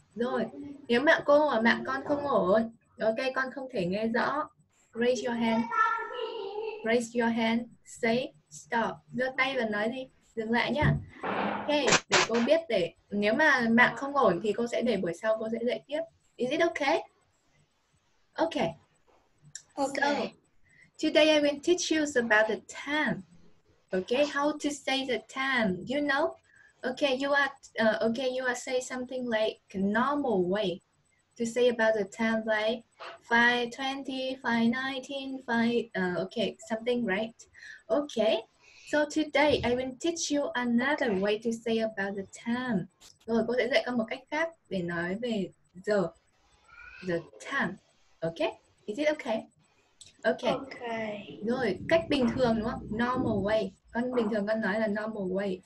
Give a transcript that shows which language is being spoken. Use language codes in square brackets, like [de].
[vi] Rồi, nếu mạng cô và mạng con không ổn, ok, con không thể nghe rõ. [en] Raise your hand, say stop. [vi] Giơ tay và nói đi. Dừng lại nhá. Ok, để cô biết để nếu mà mạng không ổn thì cô sẽ để buổi sau cô sẽ dạy tiếp. [en] Is it okay? Okay. Okay. So, today I will teach you about the time. Okay, how to say the time. You know? Okay, you are say something like normal way to say about the time like 5:20, 5:19, 5 okay, something right. Okay. So today I will teach you another way to say about the time. [vi] Rồi cô sẽ dạy con một cách khác để nói về giờ. [en] The time. Okay? Is it okay? Okay. Okay. [vi] Rồi, cách bình thường đúng không? Normal way. Con bình thường con nói là normal way.